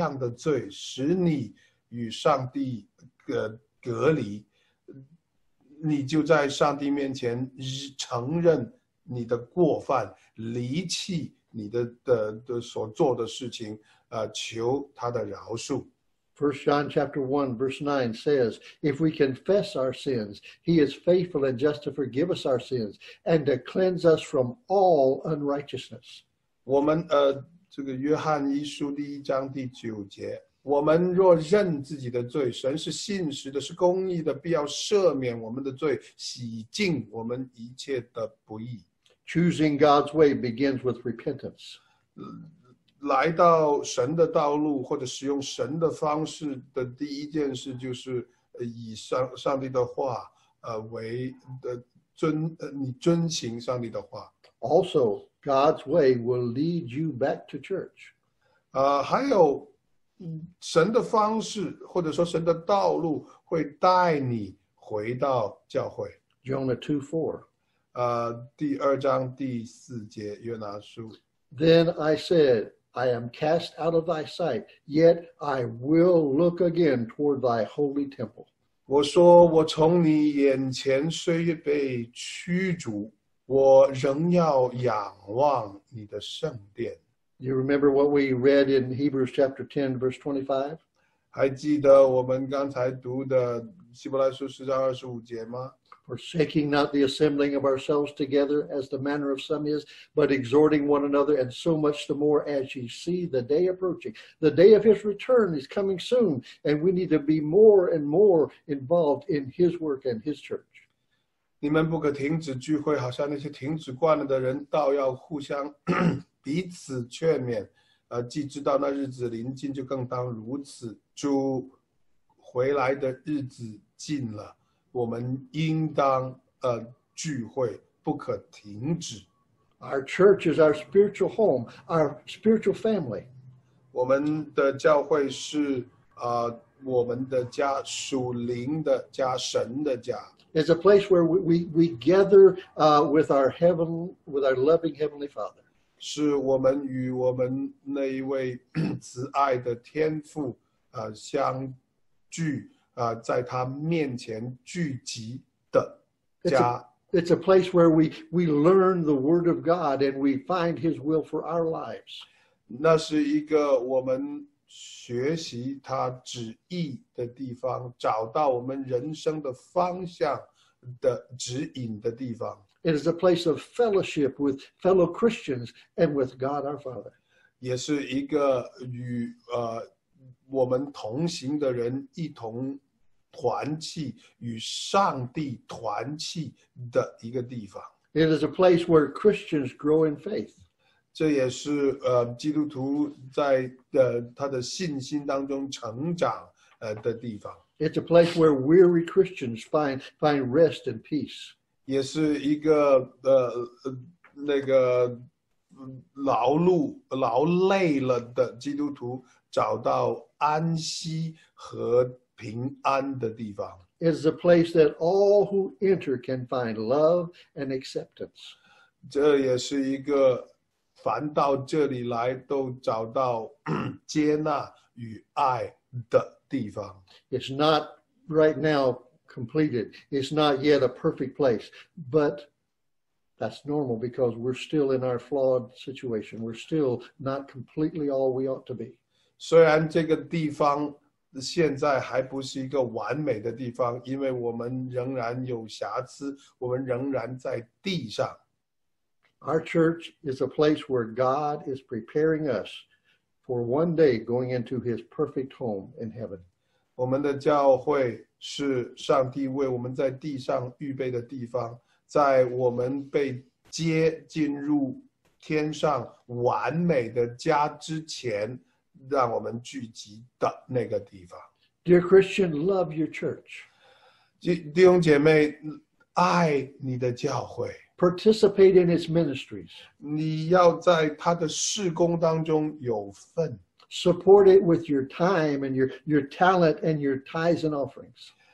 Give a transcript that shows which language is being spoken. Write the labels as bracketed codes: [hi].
[zh] 今天无论是哪一样的罪使你与上帝 隔离，你就在上帝面前承认你的过犯，离弃你的所做的事情，求他的饶恕。 [en] First John chapter 1 verse 9 says, If we confess our sins, he is faithful and just to forgive us our sins and to cleanse us from all unrighteousness. [zh] 我们这个约翰一书第一章第九节。我们若认自己的罪，神是信实的，是公义的，必要赦免我们的罪，洗净我们一切的不义。 [en] Choosing God's way begins with repentance. [zh] 来到神的道路，或者使用神的方式的第一件事，就是以上帝的话为的遵，你遵行上帝的话。 [en] Also, God's way will lead you back to church. [zh] 还有。神的方式或者说神的道路会带你回到教会。 [en] Jonah 2:4， [zh] 第二章第四节，约拿书。 [en] Then I said, I am cast out of thy sight, yet I will look again toward thy holy temple. [zh] 我说我从你眼前虽被驱逐，我仍要仰望你的圣殿。 [en] You remember what we read in Hebrews chapter 10, verse 25? [zh] 还记得我们刚才读的希伯来书十章二十五节吗？ [en] Forsaking not the assembling of ourselves together, as the manner of some is, but exhorting one another, and so much the more as you see the day approaching. The day of his return is coming soon, and we need to be more and more involved in his work and his church. [zh] 你们不可停止聚会，好像那些停止惯了的人，倒要互相彼此劝勉，既知道那日子临近，就更当如此。主回来的日子近了，我们应当聚会，不可停止。 [en] Our church is our spiritual home, our spiritual family. [zh] 我们的教会是我们的家，属灵的家，神的家。 [en] It's a place where we gather with our loving heavenly Father. [zh] 是我们与我们那一位慈爱的天父相聚，在他面前聚集的家。 [en] It's a place where we learn the Word of God and we find His will for our lives. [zh] 那是一个我们学习他旨意的地方，找到我们人生的方向的指引的地方。 [en] It is a place of fellowship with fellow Christians and with God our Father. [zh] 也是一个与我们同行的人一同团契，与上帝团契的一个地方。 [en] It is a place where Christians grow in faith. [zh] 这也是基督徒在他的信心当中成长的地方。 [en] It's a place where weary Christians find rest and peace. [zh] 也是一个那个劳累了的基督徒找到安息和平安的地方。 [en] It's a place that all who enter can find love and acceptance. [zh] 这也是一个凡到这里来都找到接纳与爱的地方。 [en] It's not right now completed. It's not yet a perfect place. But that's normal because we're still in our flawed situation. We're still not completely all we ought to be. [zh] 虽然这个地方现在还不是一个完美的地方，因为我们仍然有瑕疵，我们仍然在地上。 [en] Our church is a place where God is preparing us for one day going into His perfect home in heaven. [zh] 我们的教会是上帝为我们在地上预备的地方，在我们被接进入天上完美的家之前，让我们聚集的那个地方。 [en] Dear Christian, love your church. [zh] 弟兄姐妹，爱你的教会。 [en] Participate in its ministries. [zh] 你要在他的事工当中有份。 [en] Support it with your time and your talent and your tithes and offerings.